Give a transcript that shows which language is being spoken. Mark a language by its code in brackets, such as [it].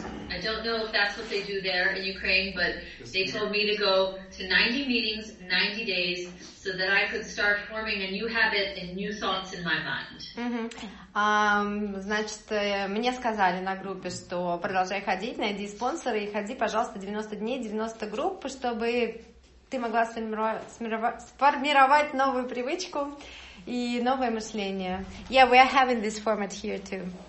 [en] I don't know if that's what they do there in Ukraine, but they told me to go to 90 meetings, 90 days, so that I could start forming a new habit and new thoughts in my mind. [ru] Значит, мне сказали на группе, что продолжай ходить, найди спонсора и ходи, пожалуйста, 90 дней, 90 групп, чтобы ты могла сформировать новую привычку и новое мышление. [en] Yeah, we are having this format here too.